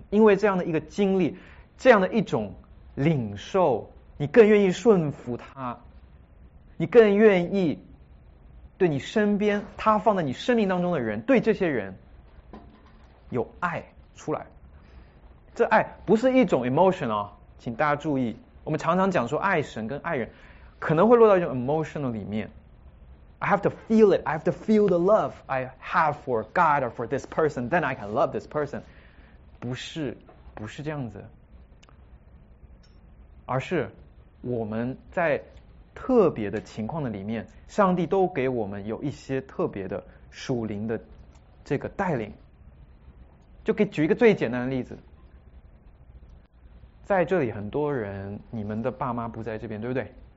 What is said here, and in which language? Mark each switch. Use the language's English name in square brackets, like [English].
[Chinese] 因为这样的一个经历，这样的一种领受，你更愿意顺服他，你更愿意对你身边他放在你生命当中的人，对这些人有爱出来。这爱不是一种 emotion 哦，请大家注意，我们常常讲说爱神跟爱人，可能会落到一种 emotional 里面。 [English] I have to feel it. I have to feel the love I have for God or for this person. Then I can love this person. [Chinese] 不是这样子，而是我们在特别的情况的里面，上帝都给我们有一些特别的属灵的这个带领。就给举一个最简单的例子，在这里很多人，你们的爸妈不在这边，对不对？